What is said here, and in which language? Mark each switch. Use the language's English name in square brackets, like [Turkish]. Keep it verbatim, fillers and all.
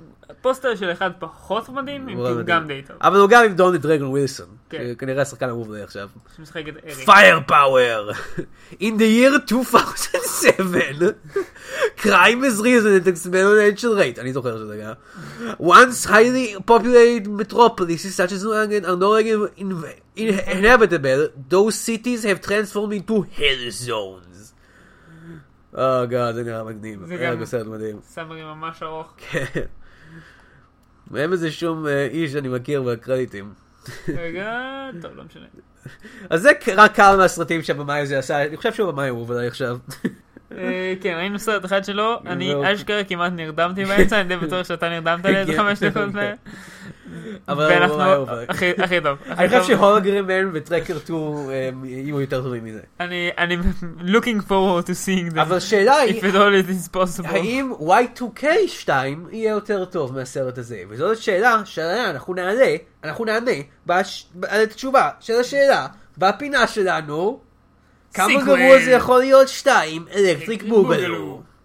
[Hebrew] הפוסטר של אחד פחות מדהים, אם כי הוא גם די טוב. אבל הוא גם עם דון דרגון ווילסון, כנראה השחקן המוב לי עכשיו. שמשחק את אריק. פייר פאוור! [English] In the year two thousand seven, crime has risen at exponential rate, [Hebrew] אני זוכר שזה גם. [English] Once highly populated metropolises such as New England are no longer inhabitable, those cities have transformed into hell zones. [Hebrew] אה, גאה, זה נראה מגניב. זה גם בסרט מדהים. סמרי ממש ארוך. כן. מהם איזה שום איש שאני מכיר בקרדיטים. רגע, טוב, לא משנה. אז זה רק כמה מהסרטים שהבמאי הזה עשה, אני חושב שהוא הבמאי הוא ודאי עכשיו. כן, ראינו סרט אחד שלו, אני אשכרה כמעט נרדמתי באמצע, אני די בטוח שאתה נרדמת על איזה חמש דקות. ואנחנו, הכי טוב. אני חושב שהולוגרמן וטרקר טו יהיו יותר טובים מזה. [English] אני looking forward to seeing them. [Hebrew] אבל השאלה [English] היא, if it all is possible. [Hebrew] האם Y two K two יהיה יותר טוב מהסרט הזה? וזאת שאלה שאנחנו נעלה, אנחנו נענה, על התשובה של השאלה, בפינה שלנו, כמה גרוע זה יכול להיות? שתיים, אלקטריק בוגלו.